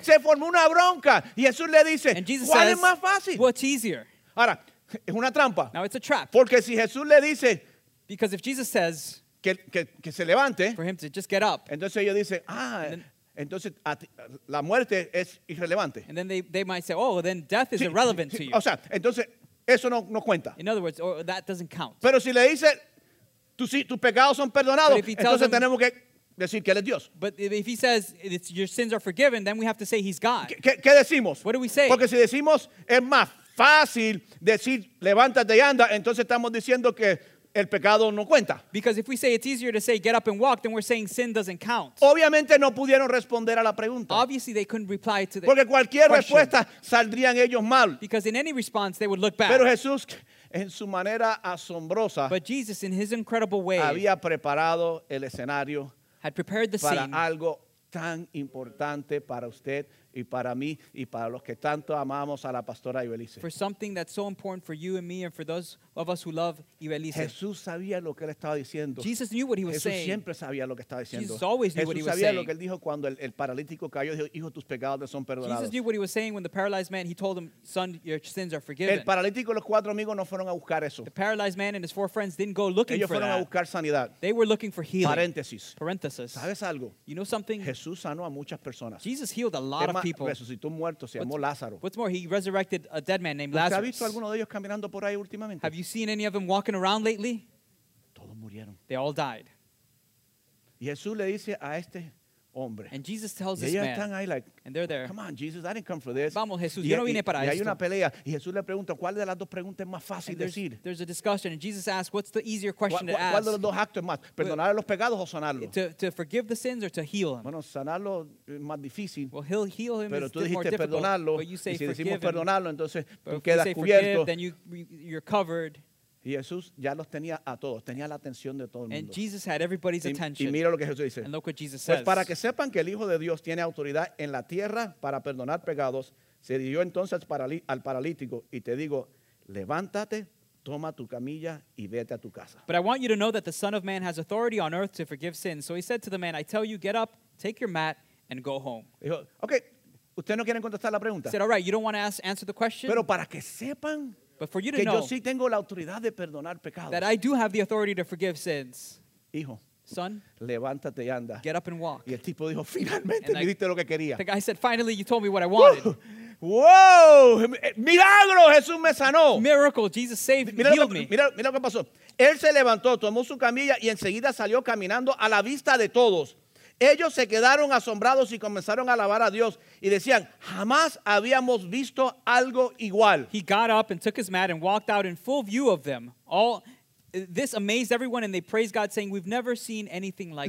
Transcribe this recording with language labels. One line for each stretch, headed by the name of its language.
Spanish: Se formó una bronca. Y Jesús le dice, ¿cuál
English: says,
Spanish: es más fácil?
English: What's easier?
Spanish: Ahora, es una trampa.
English: Now it's a trap.
Spanish: Porque si Jesús le dice,
English: because if Jesus says
Spanish: que se levante,
English: for him to just get up,
Spanish: entonces ellos dicen, entonces la muerte es irrelevante.
English: And then they might say, oh, then death is irrelevant to you.
Spanish: O sea, entonces eso no cuenta.
English: In other words, or that doesn't count.
Spanish: Pero si le dice, tus pecados son perdonados, entonces tenemos que decir que él es Dios.
English: But if he says it's your sins are forgiven, then we have to say he's God.
Spanish: ¿Qué decimos?
English: What do we say?
Spanish: Porque si decimos es más fácil decir levántate y anda, entonces estamos diciendo que el pecado no cuenta.
English: Because if we say it's easier to say get up and walk, then we're saying sin doesn't count.
Spanish: Obviamente no pudieron responder a la pregunta.
English: Obviously they couldn't reply to the
Spanish: Porque cualquier
English: question.
Spanish: Respuesta saldrían ellos mal.
English: Because in any response they would look bad.
Spanish: Pero Jesús en su manera asombrosa
English: But Jesus, in his incredible way,
Spanish: había preparado el escenario
English: had prepared the
Spanish: para
English: scene
Spanish: algo tan importante para usted y para mí y para los que tanto amamos a la pastora Ibelice.
English: For something that's so important for you and me and for those of us who love Ibelice.
Spanish: Jesús sabía lo que él estaba diciendo.
English: Jesus knew what he was
Spanish: Jesús
English: saying.
Spanish: Siempre sabía lo que estaba diciendo.
English: Jesus always knew
Spanish: Jesús
English: what he was saying.
Spanish: Sabía lo que él dijo cuando el paralítico cayó, dijo, hijo, tus pecados te son perdonados.
English: Jesus knew what he was saying when the paralyzed man, he told him, son, your sins are forgiven.
Spanish: El paralítico y los cuatro amigos no fueron a buscar eso.
English: The paralyzed man and his four friends didn't go looking
Spanish: Ellos
English: for that.
Spanish: Ellos fueron a buscar sanidad.
English: They were looking for healing.
Spanish: Paréntesis.
English: Parenthesis.
Spanish: ¿Sabes algo?
English: You know something?
Spanish: Jesús sanó a muchas personas.
English: Jesus healed a lot of people.
Spanish: Resucitó un muerto, se llamó Lázaro.
English: What's more, he resurrected a dead man named Lazarus.
Spanish: ¿Has visto alguno de ellos caminando por ahí últimamente?
English: Have you seen any of them walking around lately?
Spanish: Todos murieron.
English: They all died.
Spanish: Jesús le dice a este hombre.
English: And Jesus tells this man.
Spanish: Están ahí, like,
English: and they're there. Come on, Jesus, I didn't come for this.
Spanish: Vamos, Jesús, yo no vine para y esto. Y hay una pelea. Y Jesús le pregunta, ¿cuál de las dos preguntas es más fácil decir?
English: There's a discussion, and Jesus asks, what's the easier question to ask?
Spanish: ¿Cuál de los dos actos es más? ¿Perdonar los pecados o sanarlo?
English: To forgive the sins or to heal him?
Spanish: Bueno, sanarlo es más difícil.
English: Well, he'll heal him
Spanish: pero
English: is
Spanish: tú dijiste perdonarlo.
English: But you say
Spanish: y si
English: forgive
Spanish: decimos perdonarlo, entonces
English: but
Spanish: tú quedas
English: say
Spanish: cubierto.
English: Forgive, then you're covered.
Spanish: Y Jesús ya los tenía a todos, tenía la atención de todo el mundo.
English: And Jesus had everybody's attention.
Spanish: Y mira lo que Jesús dice.
English: And look what Jesus says.
Spanish: Pues para que sepan que el Hijo de Dios tiene autoridad en la tierra para perdonar pecados, se dirigió entonces al paralítico y te digo, levántate, toma tu camilla y vete a tu casa.
English: But I want you to know that the Son of Man has authority on earth to forgive sins. So he said to the man, I tell you, get up, take your mat and go home.
Spanish: Dijo, okay, ¿usted no quiere contestar la pregunta?
English: He said, all right, you don't want to answer the question?
Spanish: Pero para que sepan
English: But for you to
Spanish: que
English: know
Spanish: yo sí tengo la autoridad de perdonar pecados.
English: That I do have the authority to forgive sins.
Spanish: Hijo,
English: son,
Spanish: levántate y anda.
English: Get up and walk.
Spanish: Y el tipo dijo, finalmente me diste lo que quería.
English: The guy said, finally you told me what I wanted.
Spanish: Wow, milagro, Jesús me sanó.
English: Miracle, Jesus saved me, healed me.
Spanish: Mira lo que pasó. Él se levantó, tomó su camilla y enseguida salió caminando a la vista de todos. Ellos se quedaron asombrados y comenzaron a alabar a Dios y decían, jamás habíamos visto algo igual.
English: He got up and took his mat and walked out in full view of them. All this amazed everyone and they praised God saying, we've never seen anything like